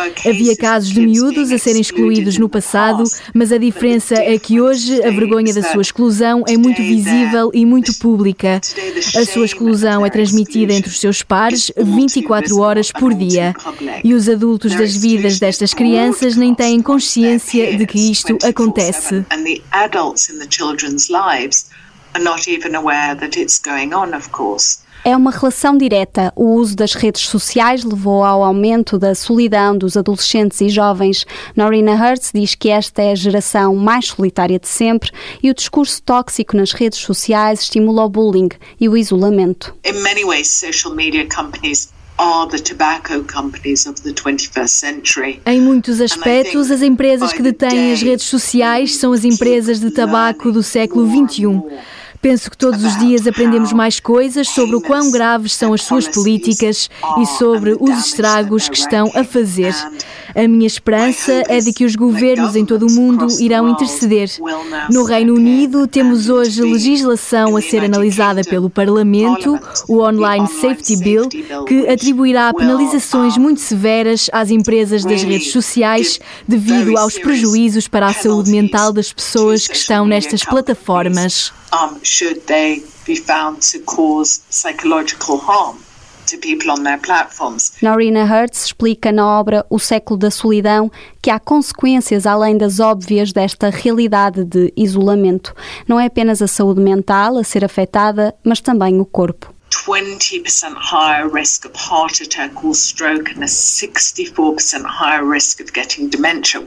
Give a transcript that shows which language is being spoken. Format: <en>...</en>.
<pt>Havia casos de miúdos a serem excluídos no passado, mas a diferença é que hoje a vergonha da sua exclusão é muito visível e muito pública. A sua exclusão é transmitida entre os seus pares 24 horas por dia. E os adultos das vidas destas crianças nem têm consciência de que isto acontece.</pt> <en>Children's lives are not even aware that it's going on, of course.</en> <pt>é uma relação direta. O uso das redes sociais levou ao aumento da solidão dos adolescentes e jovens. Norina Hertz diz que esta é a geração mais solitária de sempre e o discurso tóxico nas redes sociais estimula o bullying e o isolamento.</pt> <en>In many ways, social media companies are the tobacco companies of the 21st century.</en> <pt>Em muitos aspectos, as empresas que detêm as redes sociais são as empresas de tabaco do século XXI. Penso que todos os dias aprendemos mais coisas sobre o quão graves são as suas políticas e sobre os estragos que estão a fazer. A minha esperança é de que os governos em todo o mundo irão interceder. No Reino Unido, temos hoje legislação a ser analisada pelo Parlamento, o Online Safety Bill, que atribuirá penalizações muito severas às empresas das redes sociais devido aos prejuízos para a saúde mental das pessoas que estão nestas plataformas.</pt> <en>Should they be found to cause psychological harm to people on their platforms?</en> <pt>Norina Hertz explica na obra O Século da Solidão que há consequências além das óbvias desta realidade de isolamento. Não é apenas a saúde mental a ser afetada, mas também o corpo.</pt> <en>20% higher risk of heart attack or stroke and a 64% higher risk of getting dementia.</en>